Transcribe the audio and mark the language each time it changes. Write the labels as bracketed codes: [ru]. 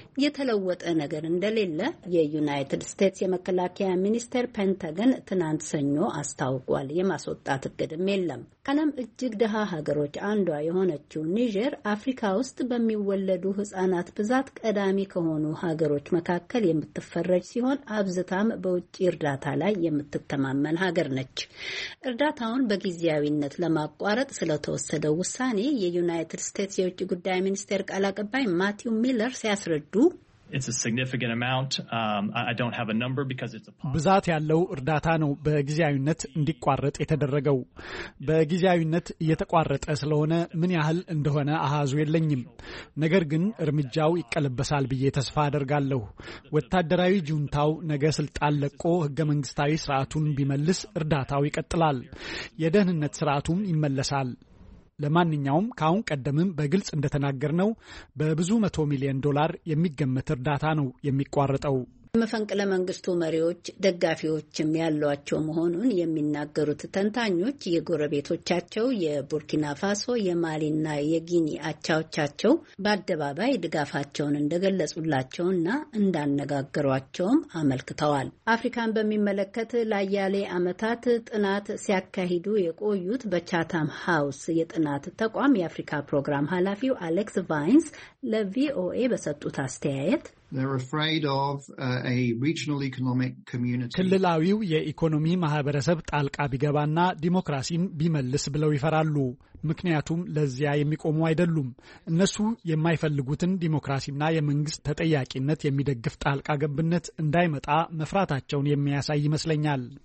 [am] የተለወጠ ነገር እንደሌለ የዩናይትድ ስቴትስ የመከላከያ ሚኒስቴር ፔንታገን ትናንት ሰኞ አስታውቋል። የማስወጣት እቅድም የለም። ከዓለም እጅግ ደሃ ሀገሮች አንዷ የሆነችው ኒጀር አፍሪካ ውስጥ በሚወለዱ ህጻናት ብዛት ቀዳሚ ከሆኑ ሀገሮች መካከል የምትፈረጅ ሲሆን አብዝታም በውጭ እርዳታ ላይ የምትተማመን ሀገር ነች። እርዳታውን በጊዜያዊነት ለማቋረጥ ስለተወሰደው ውሳኔ የዩናይትድ ስቴትስ የውጭ ጉዳይ ሚኒስቴር ቃል አቀባይ ማቲው ሚለር ሲያስረዱ [en] It's a significant amount. I don't have a number because it's a pause. [am] ብዛት ያለው እርዳታ ነው በጊዜያዊነት እንዲቋረጥ የተደረገው። በጊዜያዊነት እየተቋረጠ ስለሆነ ምን ያህል እንደሆነ አሃዙ የለኝም። ነገር ግን እርምጃው ይቀለበሳል ብዬ ተስፋ አደርጋለሁ። ወታደራዊ ጁንታው ነገ ስልጣን ለቆ ህገ መንግስታዊ ስርዓቱን ቢመልስ እርዳታው ይቀጥላል። የደህንነት ስርዓቱም ይመለሳል። ለማንኛውም ካሁን ቀደምም በግልጽ እንደተናገርነው በብዙ መቶ ሚሊዮን ዶላር የሚገመት እርዳታ ነው የሚቋረጠው። መፈንቅለ መንግስቱ መሪዎች ደጋፊዎችም ያሏቸው መሆኑን የሚናገሩት ተንታኞች የጎረቤቶቻቸው የቡርኪና ፋሶ፣ የማሊና የጊኒ አቻዎቻቸው በአደባባይ ድጋፋቸውን እንደገለጹላቸውና እንዳነጋገሯቸውም አመልክተዋል። አፍሪካን በሚመለከት ለአያሌ ዓመታት ጥናት ሲያካሂዱ የቆዩት በቻታም ሃውስ የጥናት ተቋም የአፍሪካ ፕሮግራም ኃላፊው አሌክስ ቫይንስ ለቪኦኤ በሰጡት አስተያየት [en] They're afraid of a regional economic community. [am] ክልላዊው የኢኮኖሚ ማህበረሰብ ጣልቃ ቢገባና ዲሞክራሲን ቢመልስ ብለው ይፈራሉ። ምክንያቱም ለዚያ የሚቆሙ አይደሉም። እነሱ የማይፈልጉትን ዲሞክራሲና የመንግስት ተጠያቂነት የሚደግፍ ጣልቃ ገብነት እንዳይመጣ መፍራታቸውን የሚያሳይ ይመስለኛል።